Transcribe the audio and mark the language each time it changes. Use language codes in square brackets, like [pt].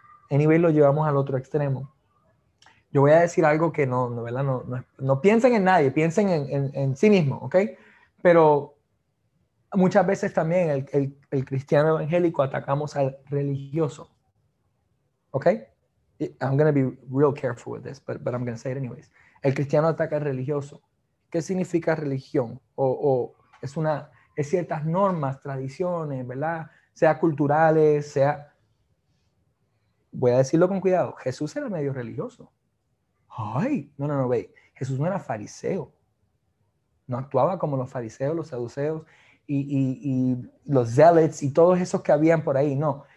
[es] Anyway, lo llevamos al otro extremo. Yo voy a decir algo que no, no, ¿verdad? No, no, no piensen en nadie, piensen en sí mismo, ¿ok? Pero muchas veces también el cristiano evangélico atacamos al religioso, ¿ok? [en] I'm gonna be real careful with this, but I'm gonna say it anyways. [es] El cristiano ataca al religioso. ¿Qué significa religión? O es ciertas normas, tradiciones, ¿verdad? Sea culturales, sea. Voy a decirlo con cuidado. Jesús era medio religioso. Ay, no, no, no, ve. Jesús no era fariseo. No actuaba como los fariseos, los saduceos y los zealots y todos esos que habían por ahí, no.